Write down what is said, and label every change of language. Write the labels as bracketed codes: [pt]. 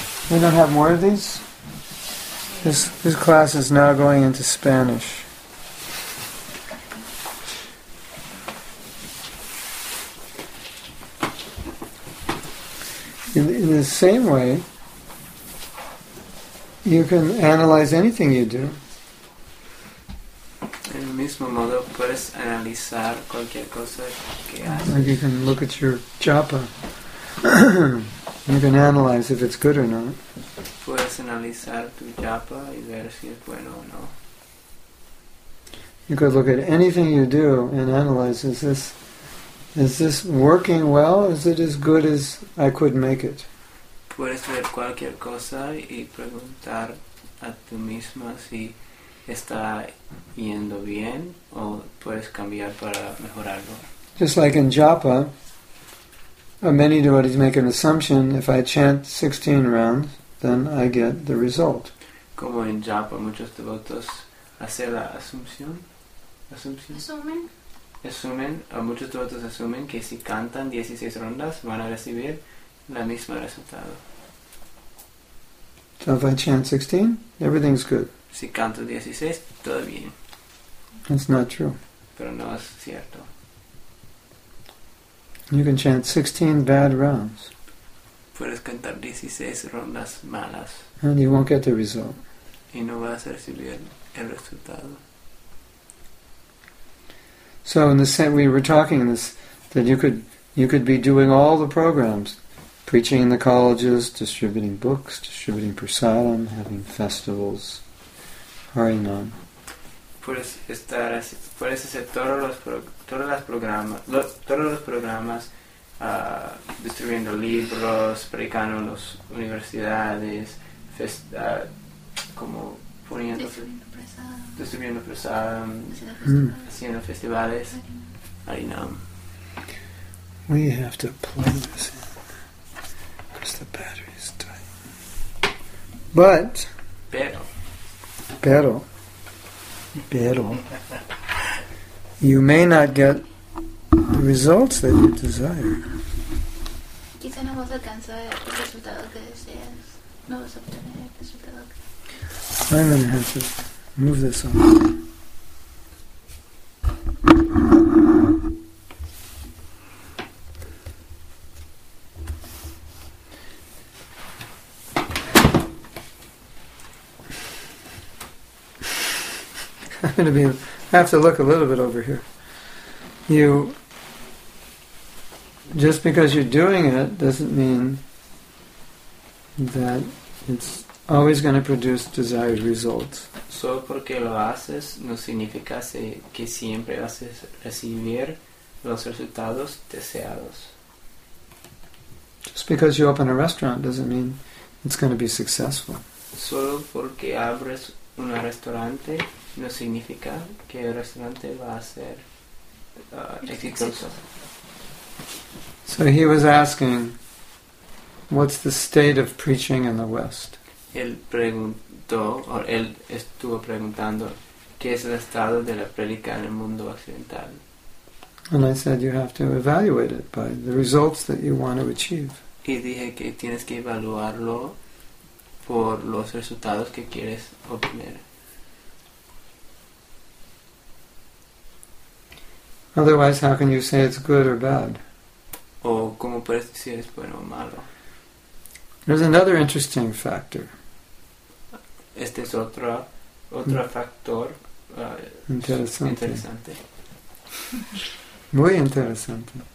[en] We don't have more of these? This class is now going into Spanish. In the same way, you can analyze anything you do. [es] En el mismo modo, puedes analizar cualquier cosa que haces. [en] Like you can look at your japa. You can analyze if it's good or not. [es] Puedes analizar tu japa y ver si es bueno o no. [en] You could look at anything you do and analyze, is this working well? Is it as good as I could make it? [es] Puedes ver cualquier cosa y preguntar a tu misma si está yendo bien o puedes cambiar para mejorarlo. [en] Just like in japa, many devotees make an assumption, if I chant 16 rounds, then I get the result. [es] Como en japa, muchos devotos hacen la asumción. Asumen. Muchos devotos asumen que si cantan 16 rondas van a recibir la misma resultado. [en] So if I chant 16, everything's good. [es] Si canto 16, todo bien. [en] That's not true. [es] Pero no es cierto. [en] You can chant 16 bad rounds. [es] Puedes cantar 16 rondas malas. [en] And you won't get the result. [es] Y no vas a recibir el resultado. [en] So in the same, we were talking this, that you could be doing all the programs, preaching in the colleges, distributing books, distributing prasadam, having festivals, Harinam. [es] Puedes hacer todos los programas, distribuyendo libros, predicando en las universidades, distribuyendo prasadam, haciendo festivales, Harinam. [en] We have to play this in. the battery is dying. But. [es] Pero. [en] You may not get the results that you desire. [es] Quizá no vas a alcanzar el resultado que deseas. No vas a obtener el resultado que deseas. [en] I'm going to have to move this on. I have to look a little bit over here. You, just because you're doing it doesn't mean that it's always going to produce desired results. [es] Solo porque lo haces no significa que siempre vas a recibir los resultados deseados. [en] Just because you open a restaurant doesn't mean it's going to be successful. [es] Solo porque abres un restaurante no significa que el restaurante va a ser exitoso. [en] So he was asking, what's the state of preaching in the West? [es] Él preguntó, o él estuvo preguntando, ¿qué es el estado de la prédica en el mundo occidental? [en] And I said, you have to evaluate it by the results that you want to achieve. [es] Y dije que tienes que evaluarlo por los resultados que quieres obtener. [en] Otherwise, how can you say it's good or bad? [es] O cómo puedes decir es bueno o malo. [en] There's another interesting factor. [es] Este es otro factor interesante. Muy interesante.